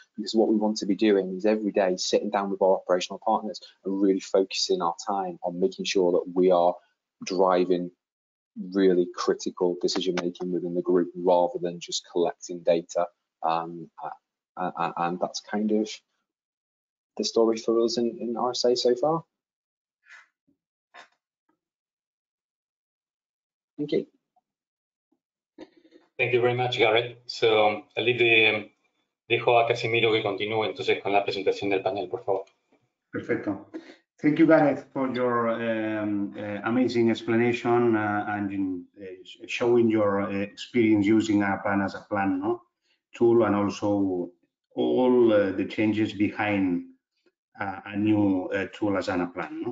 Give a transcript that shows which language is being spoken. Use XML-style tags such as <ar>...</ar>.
<en>Because what we want to be doing is every day sitting down with our operational partners and really focusing our time on making sure that we are driving really critical decision making within the group rather than just collecting data. And that's kind of the story for us in RSA so far. Thank you. Thank you very much, Gareth. So I'll leave</en> <es>dejo a Casimiro que continúe entonces con la presentación del panel, por favor. Perfecto.</es> <en>Thank you, Gareth, for your amazing explanation and in, showing your experience using Anaplan as a plan, no? tool, and also all the changes behind a new tool as Anaplan.</en>